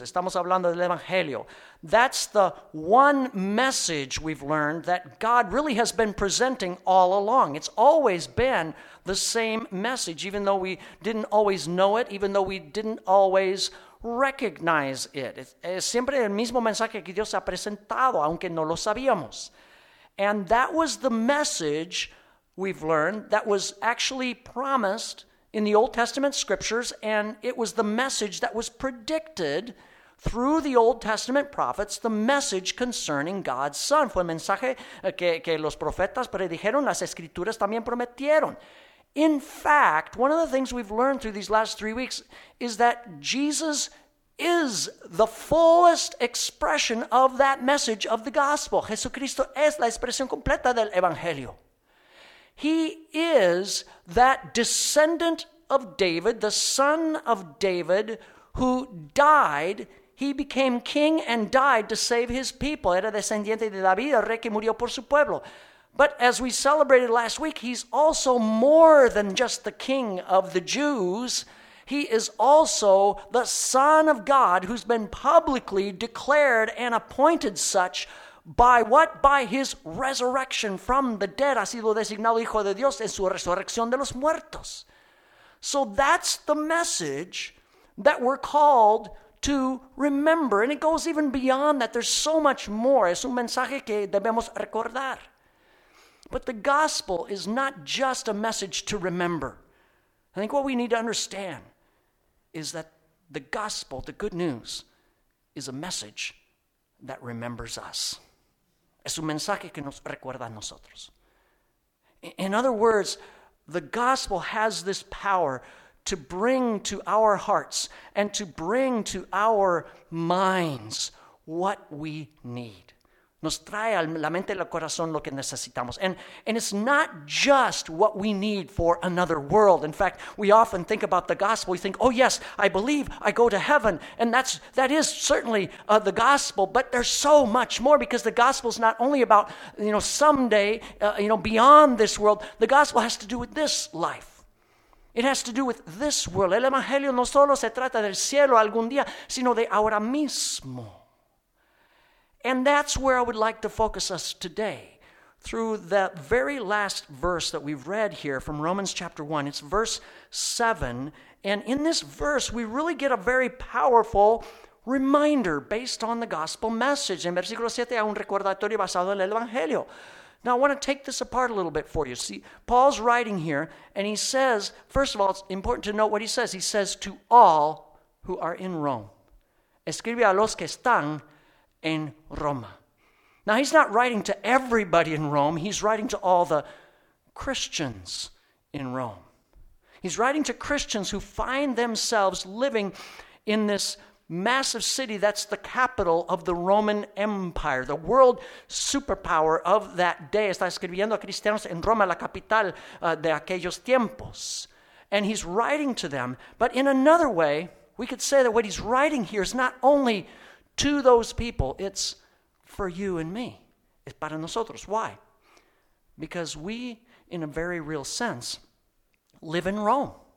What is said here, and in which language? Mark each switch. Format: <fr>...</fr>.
<es>Estamos hablando del Evangelio.</es> <en>That's the one message we've learned that God really has been presenting all along. It's always been the same message, even though we didn't always know it, even though we didn't always recognize it.</en> <es>Es siempre el mismo mensaje que Dios ha presentado, aunque no lo sabíamos.</es> <en>And that was the message we've learned that was actually promised in the Old Testament scriptures, and it was the message that was predicted through the Old Testament prophets, the message concerning God's Son.</en> <es>Fue el mensaje que los profetas predijeron, las escrituras también prometieron.</es> <en>In fact, one of the things we've learned through these last 3 weeks is that Jesus is the fullest expression of that message of the gospel.</en> <es>Jesucristo es la expresión completa del Evangelio.</es> <en>He is that descendant of David, the son of David, who died. He became king and died to save his people.</en> <es>Era descendiente de David, el rey que murió por su pueblo.</es> <en>But as we celebrated last week, he's also more than just the king of the Jews. He is also the son of God who's been publicly declared and appointed such by what? By his resurrection from the dead.</en> <es>Ha sido designado hijo de Dios en su resurrección de los muertos.</es> <en>So that's the message that we're called to remember. And it goes even beyond that. There's so much more.</en> <es>Es un mensaje que debemos recordar.</es> <en>But the gospel is not just a message to remember. I think what we need to understand is that The gospel, the good news, is a message that remembers us.</en> <es>Es un mensaje que nos recuerda a nosotros.</es> <en>In other words, the gospel has this power to bring to our hearts and to bring to our minds what we need.</en> <es>Nos trae a la mente y al corazón lo que necesitamos.</es> <en>And it's not just what we need for another world. In fact, we often think about the gospel. We think, oh yes, I believe, I go to heaven. And that is certainly the gospel. But there's so much more, because the gospel is not only about, you know, someday, you know, beyond this world. The gospel has to do with this life. It has to do with this world.</en> <es>El evangelio no solo se trata del cielo algún día, sino de ahora mismo.</es> <en>And that's where I would like to focus us today, through the very last verse that we've read here from Romans chapter 1. It's verse 7. And in this verse, we really get a very powerful reminder based on the gospel message.</en> <es>En versículo 7, hay un recordatorio basado en el evangelio.</es> <en>Now, I want to take this apart a little bit for you. See, Paul's writing here, and he says, first of all, it's important to note what he says. He says, to all who are in Rome.</en> <es>Escribe a los que están in Roma.</es> <en>Now, he's not writing to everybody in Rome. He's writing to all the Christians in Rome. He's writing to Christians who find themselves living in this massive city that's the capital of the Roman Empire, the world superpower of that day.</en> <es>Está escribiendo a cristianos en Roma, la capital de aquellos tiempos.</es> <en>And he's writing to them. But in another way, we could say that what he's writing here is not only to those people, it's for you and me. It's</en> <es>para nosotros.</es> <en>Why? Because we, in a very real sense, live in Rome.</en>